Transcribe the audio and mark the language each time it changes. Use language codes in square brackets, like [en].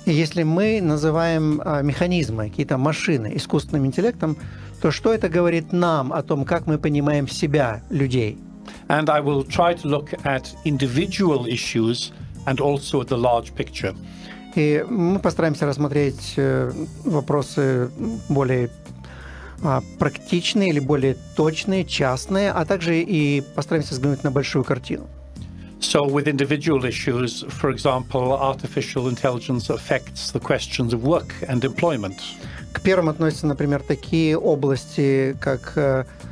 [ru] Если мы называем механизмы, какие-то машины искусственным интеллектом, то что это говорит нам о том, как мы понимаем себя, людей? [en] And I will try to look at individual issues and also at the large picture. [ru] И мы постараемся рассмотреть вопросы более практичные или более точные, частные, а также и постараемся взглянуть на большую картину. [en] So with individual issues, for example, artificial intelligence affects the questions of work and employment. [ru] К первым относятся, например, такие области, как